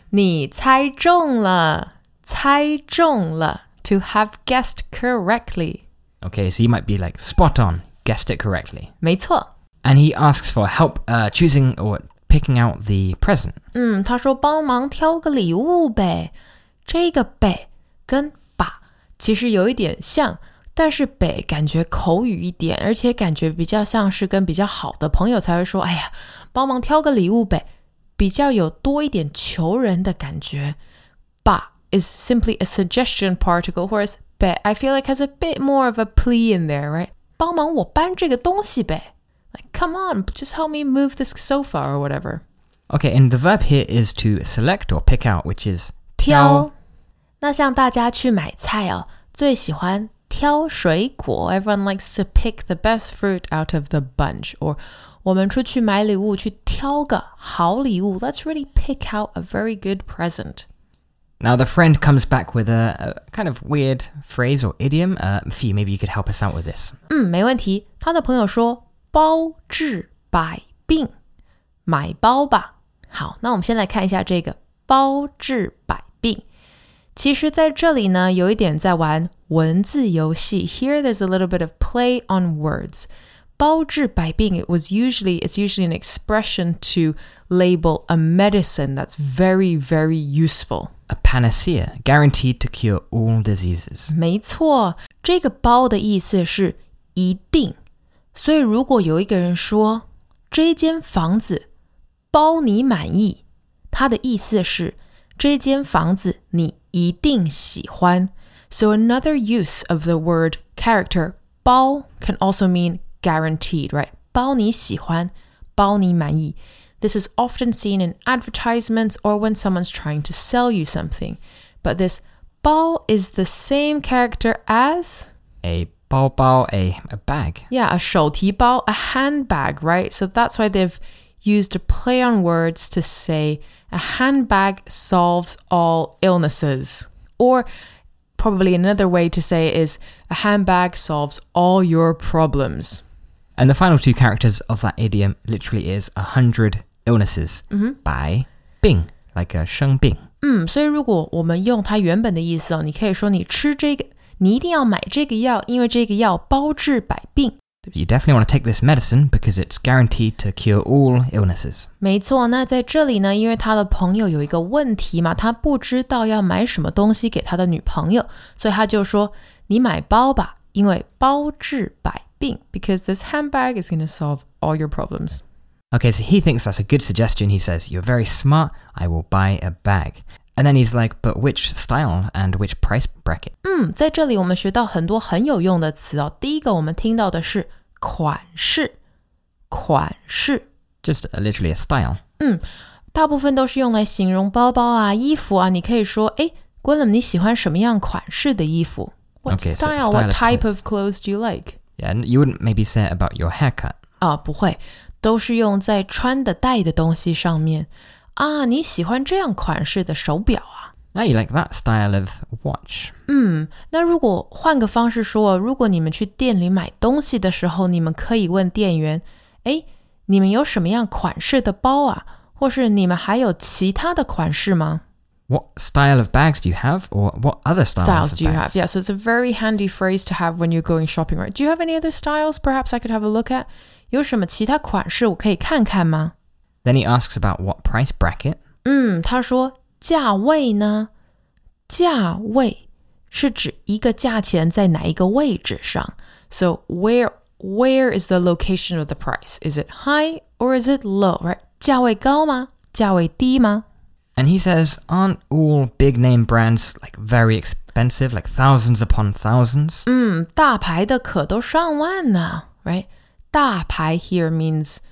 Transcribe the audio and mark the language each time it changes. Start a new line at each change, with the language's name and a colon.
Chinese: 你猜中了，猜中了。
English: To have guessed correctly. Okay, so you might be like, spot on, guessed it correctly.
Chinese: 没错。
English: And he asks for help choosing or picking out the present.
Chinese: 他说帮忙挑个礼物呗。这个呗跟把其实有一点像。但是北感觉口语一点，而且感觉比较像是跟比较好的朋友才会说，哎呀，帮忙挑个礼物呗，比较有多一点求人的感觉。
English: But is simply a suggestion particle, whereas 北 I feel like has a bit more of a plea in there, right?
Chinese: 帮忙我搬这个东西呗。
English: Like, come on, just help me move this sofa or whatever. Okay, and the verb here is to select or pick out, which is
Chinese: 挑。那像大家去买菜哦，最喜欢挑水果
English: everyone likes to pick the best fruit out of the bunch. Or,
Chinese: 我们出去买礼物去挑个好礼物
English: Let's really pick out a very good present. Now the friend comes back with a kind of weird phrase or idiom. Fee, maybe you could help us out with this.
Chinese: 没问题。他的朋友说包治百病，买包吧。好，那我们先来看一下这个包治百病。其实在这里呢，有一点在玩文字游戏。
English: Here there's a little bit of play on words. 包治百病 it's usually an expression to label a medicine that's very, very useful. A panacea, guaranteed to cure all diseases.
Chinese: 没错，这个包的意思是一定。所以如果有一个人说，这间房子包你满意，他的意思是这间房子你一定喜欢。
English: So another use of the word character, 包 can also mean guaranteed, right?
Chinese: 包你喜欢，包你满意。
English: This is often seen in advertisements or when someone's trying to sell you something. But this 包 is the same character as? A包包, a bag. Yeah, a 手提包, a handbag, right? So that's why they've used a play on words to say a handbag solves all illnesses. Or... Probably another way to say it is a handbag solves all your problems. And the final two characters of that idiom literally is 100 illnesses. Bai, bing, like a 生病。
Chinese: 所以如果我们用它原本的意思哦，你可以说你吃这个，你一定要买这个药，因为这个药包治百病。
English: You definitely want to take this medicine because it's guaranteed to cure all illnesses.
Chinese: 没错，那在这里呢，因为他的朋友有一个问题嘛，他不知道要买什么东西给他的女朋友，所以他就说，你买包吧，因为包治百病。
English: Because this handbag is going to solve all your problems. Okay, so he thinks that's a good suggestion. He says, you're very smart, I will buy a bag. And then he's like, but which style and which price bracket?
Chinese: 在这里我们学到很多很有用的词哦。第一个我们听到的是款式，款式。
English: Just literally a style.
Chinese: 大部分都是用来形容包包啊，衣服啊。你可以说，诶，Gwilym，你喜欢什么样款式的衣服？
English: What style? What type of clothes do you like? Yeah, and you wouldn't maybe say it about your haircut.
Chinese: 不会，都是用在穿的戴的东西上面。你喜欢这样款式的手表啊。
English: Now you like that style of watch.
Chinese: 那如果换个方式说，如果你们去店里买东西的时候，你们可以问店员，诶，你们有什么样款式的包啊？或是你们还有其他的款式吗？
English: What style of bags do you have? Or what other styles do you have? Yeah, so it's a very handy phrase to have when you're going shopping, right? Do you have any other styles perhaps I could have a look at?
Chinese: 有什么其他款式我可以看看吗？
English: Then he asks about what price bracket.
Chinese: 他说价位呢？价位是指一个价钱在哪一个位置上。
English: So where is the location of the price? Is it high or is it low? Right?
Chinese: 价位高吗？价位低吗？
English: And he says, aren't all big name brands like very expensive, like thousands upon thousands?
Chinese: 大牌的可都上万呢，
English: right?
Chinese: 大牌
English: here means...